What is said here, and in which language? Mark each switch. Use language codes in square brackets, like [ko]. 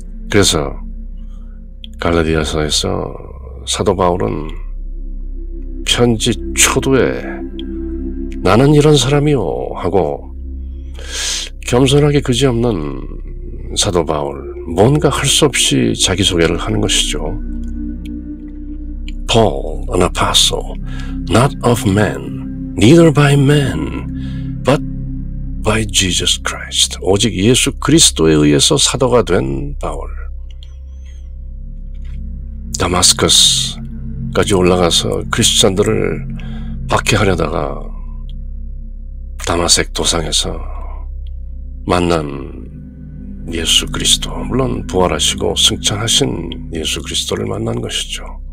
[ko] 그래서 갈라디아서에서 사도 바울은 편지 초두에 나는 이런 사람이요 하고 겸손하게 그지없는 사도 바울, 뭔가 할 수 없이 자기소개를 하는 것이죠. [en] Paul, an apostle, not of men, neither by men, but by Jesus Christ. [ko] 오직 예수 그리스도에 의해서 사도가 된 바울. 다마스커스까지 올라가서 크리스찬들을 박해하려다가 다마섹 도상에서 만난 예수 그리스도, 물론 부활하시고 승천하신 예수 그리스도를 만난 것이죠.